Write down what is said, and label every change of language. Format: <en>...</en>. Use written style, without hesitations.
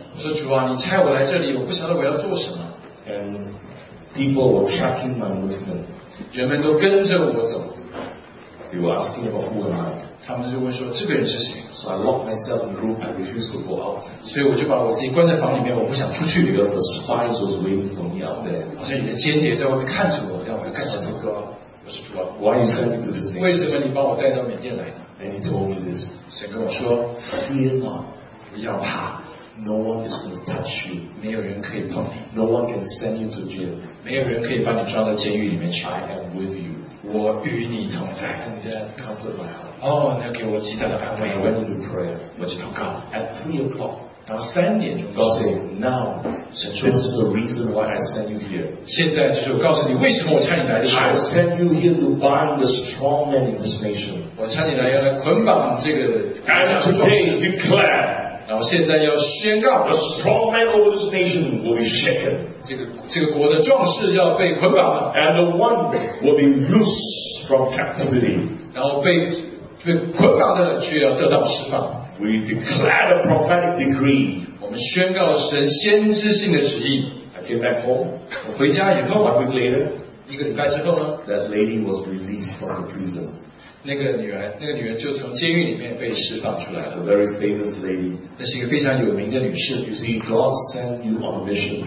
<zh>我说, 主啊, 你差我来这里, 我不晓得我要做什么。</zh> <en>And people were tracking my movement.</en> <zh>人们都跟着我走。</zh> <en>They were asking about who am I.</en> <zh>他们就问说, 这个人是谁?</zh> <en>So I locked myself in the room and refused to go out.</en> <zh>所以我就把我自己关在房里面, 我不想出去,</zh> <en>because the spies was waiting for me out there.</en> <zh>好像你的间谍在外面看着我, 要我干什么?</zh> <en>So God,</en> <zh>我说主啊,</zh> <en>why are you sending me to this thing?</en> <zh>为什么你把我带到缅甸来呢?</zh> <en>And he told me this.</en> <zh>神跟我说,</zh> <en>fear not.</en> <zh>不要怕。</zh> <en>No one is going to touch you.</en> <zh>没有人可以碰你。</zh> <en>No one can send you to jail.</en> <zh>没有人可以把你抓到监狱里面去。</zh> <en>I am with you.</en> <zh>我与你同在。</zh> <en>And that comforted my heart.</en> <zh>哦，那给我极大的安慰。</zh> <en>I went into prayer.</en> <zh>我就祷告。</zh> <en>At 3 o'clock.</en> <zh>到3点钟。</zh> <en>God said, now,</en> <zh>神说,</zh> <en>this is the reason why I sent you here.</en> <zh>现在就是我告诉你为什么我差你来的时候。</zh> <en>I sent you here to bind the strong men in this nation.</en> <zh>我差你来要来捆绑这个。</zh> <en>And today, declare.</en> <zh>然后现在要宣告,</zh> <en>the strong man over this nation will be shaken.</en> <zh>这个国的壮士要被捆绑了,</zh> <en>and the one will be loose from captivity.</en> <zh>然后被捆绑的却要得到释放.</zh> <en>We declare a prophetic decree.</en> <zh>我们宣告神先知性的旨意.</zh> <en>I came back home.</en> <zh>我回家以后,</zh> <en>1 week later,</en> <zh>一个礼拜之后呢,</zh> <en>that lady was released from the prison.</en> <zh>那个女人就从监狱里面被释放出来了。</zh> <en>A very famous lady.</en> <zh>那是一个非常有名的女士。</zh> <en>You see, God sent you on a mission.</en>